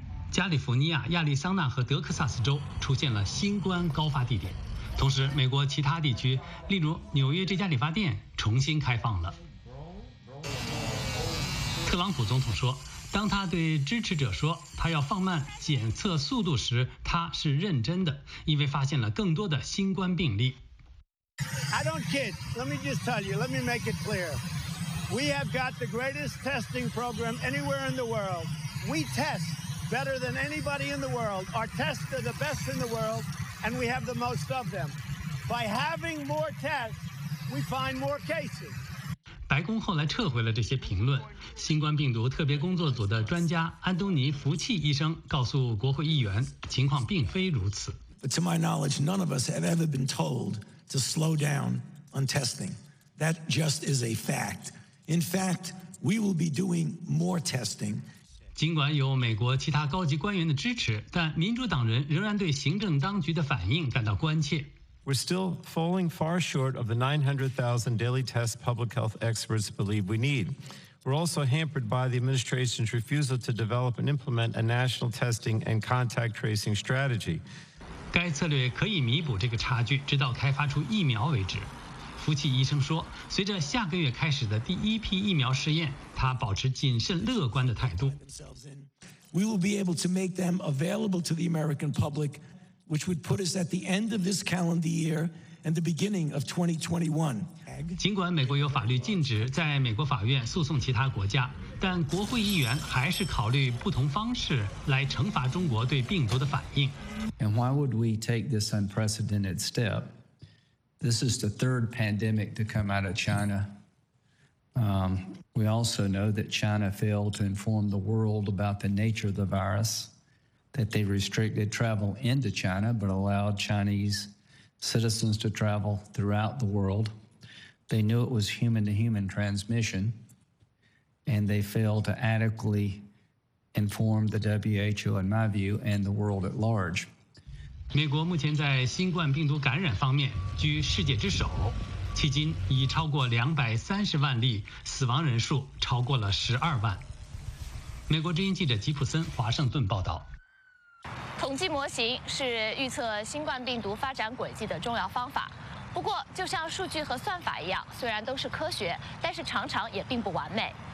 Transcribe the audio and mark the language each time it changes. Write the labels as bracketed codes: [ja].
[zh] 加利福尼亚、亚利桑那和德克萨斯州出现了新冠高发地点，同时美国其他地区，例如纽约这家理发店重新开放了。特朗普总统说，当他对支持者说他要放慢检测速度时，他是认真的，因为发现了更多的新冠病例。 [en] I don't kid. Let me just tell you. Let me make it clear. We have got the greatest testing program anywhere in the world. We test better than anybody in the world. Our tests are the best in the world, and we have the most of them. By having more tests, we find more cases. [zh] 白宫后来撤回了这些评论。新冠病毒特别工作组的专家安东尼·福契医生告诉国会议员，情况并非如此。 [en] But to my knowledge, none of us have ever been told to slow down on testing. That just is a fact. In fact, we will be doing more testing. [zh] 尽管有美国其他高级官员的支持，但民主党人仍然对行政当局的反应感到关切。 [en] We're still falling far short of the 900,000 daily tests public health experts believe we need. We're also hampered by the administration's refusal to develop and implement a national testing and contact tracing strategy. [zh] 该策略可以弥补这个差距，直到开发出疫苗为止。福契医生说，随着下个月开始的第一批疫苗试验，他保持谨慎乐观的态度。 [en] We will be able to make them available to the American public. Which would put us at the end of this calendar year and the beginning of 2021. [zh] 尽管美国有法律禁止在美国法院诉讼其他国家，但国会议员还是考虑不同方式来惩罚中国对病毒的反应。 [en] And why would we take this unprecedented step? This is the third pandemic to come out of China. We also know that China failed to inform the world about the nature of the virus. That they restricted travel into China, but allowed Chinese citizens to travel throughout the world. They knew it was human-to-human transmission, and they failed to adequately inform the WHO, in my view, and the world at large. [zh] 美国目前在新冠病毒感染方面居世界之首，迄今已超过230万例，死亡人数超过了12万。美国之音记者吉普森华盛顿报道。统计模型是预测新冠病毒发展轨迹的重要方法，不过就像数据和算法一样，虽然都是科学，但是常常也并不完美。